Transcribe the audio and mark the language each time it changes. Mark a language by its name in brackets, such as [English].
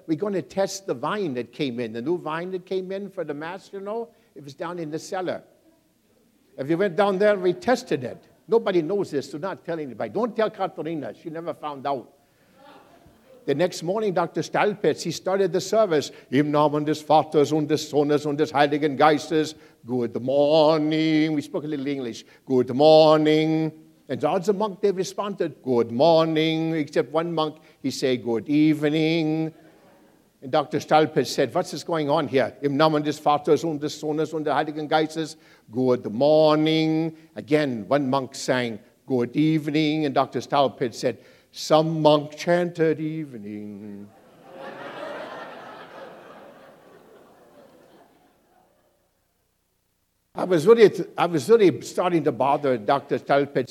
[English] We're going to test the vine that came in, the new vine that came in for the mass, you know. It was down in the cellar. If you went down there, we tested it. Nobody knows this. Do not tell anybody. Don't tell Katharina. She never found out. The next morning, Dr. Stalpitz, he started the service. [German] Im Namen des Vaters und des Sohnes und des Heiligen Geistes. [English] Good morning. We spoke a little English. Good morning. And all the monks, they responded, good morning. Except one monk, he said, good evening. And Dr. Stalpitz said, what is going on here? [German] Im Namen des Vaters und des Sohnes und des Heiligen Geistes. [English] Good morning. Again, one monk sang, good evening. And Dr. Stalpitz said, some monk chanted evening. I was really starting to bother Dr. Stalpitz.